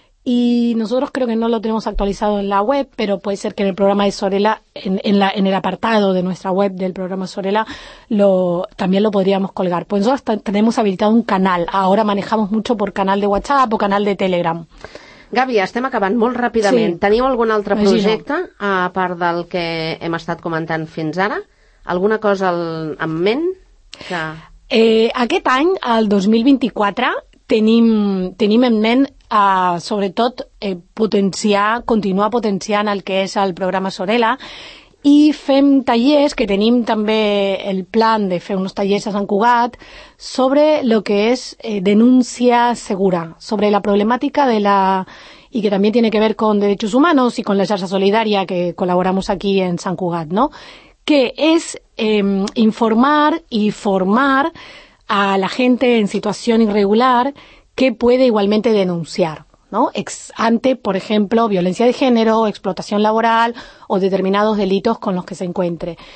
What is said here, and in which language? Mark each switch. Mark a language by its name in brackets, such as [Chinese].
[Spanish] Y nosotros creo que no lo tenemos actualizado en la web, pero puede ser que en el programa de Sorella, en el apartado de nuestra web del programa Sorella, también lo podríamos colgar. Pues nosotros tenemos habilitado un canal. Ahora manejamos mucho por canal de WhatsApp o canal de Telegram. [Catalan] Gabi, estem acabant molt ràpidament. Sí. Teniu algun altre projecte, a part del que hem estat comentant fins ara? Alguna cosa en ment? Aquest any, el 2024, tenim en ment... sobretot continuar potenciant el que és el programa Sorella i fem tallers, que tenim també el plan de fer uns tallers a Sant Cugat sobre el que és denúncia segura, sobre la problemàtica de la... [Spanish] y que también tiene que ver con derechos humanos y con la xarxa solidaria que colaboramos aquí en Sant Cugat, ¿no? Que es informar y formar a la gente en situación irregular que puede igualmente denunciar, ¿no? Ante, por ejemplo, violencia de género, explotación laboral o determinados delitos con los que se encuentre.